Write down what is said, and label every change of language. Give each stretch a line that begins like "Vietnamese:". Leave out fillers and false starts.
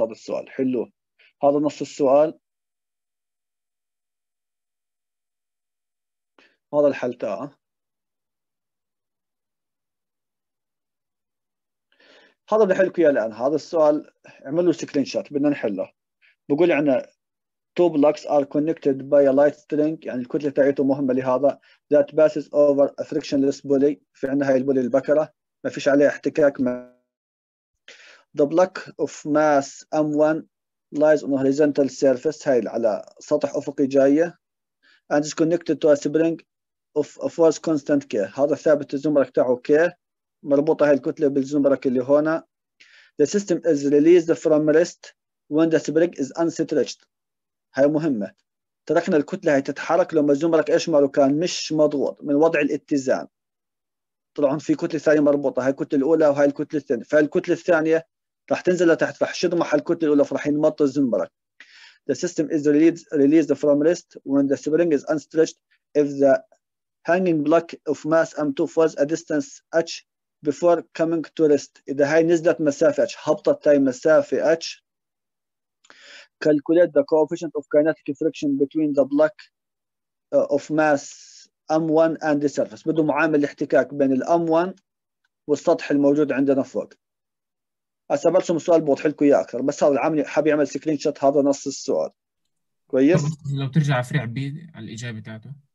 Arabic: هذا السؤال حلو. هذا نص السؤال هذا الحل تاعه. هذا بحل لكم اياه الان. هذا السؤال اعمل له سكرين شوت بدنا نحله. بقول عندنا
English: two blocks are connected by a light string,
Arabic: يعني الكتله تاعته مهمه لهذا,
English: that passes over a frictionless pulley.
Arabic: في عندنا هاي البولي البكره ما فيش عليها احتكاك.
English: The block of mass M1 lies on a horizontal surface,
Arabic: هاي على سطح افقي جايه,
English: and is connected to a spring of a force constant K.
Arabic: هذا ثابت الزمرك تاعه K, مربوطة هاي الكتلة بالزمرك اللي هنا.
English: The system is released from rest when the spring is unstretched.
Arabic: هاي مهمة. تركنا الكتلة هاي تتحرك لما الزمرك ايش ماله كان مش مضغوط من وضع الاتزان. طلعون في كتلة ثانية مربوطة, هاي الكتلة الأولى وهاي الكتلة الثانية. فهاي الكتلة الثانية راح تنزل لتحت, راح شضمح الكتلة الأولى فراح ينمط الزمرك.
English: The system is released from rest when the spring is unstretched if the hanging block of mass M2 was a distance h before coming to rest.
Arabic: إذا هاي نزلت مسافة h,
English: هبطت هاي مسافة h, calculate the coefficient of kinetic friction between the block of mass M1 and the surface.
Arabic: بده معامل الاحتكاك بين ال M1 والسطح الموجود عندنا فوق. هسه برسم السؤال بوضح لكم اياه اكثر, بس هذا العامل حاب يعمل سكرين شوت هذا نص السؤال. كويس, لو ترجع فريع بي على الاجابه تاعته.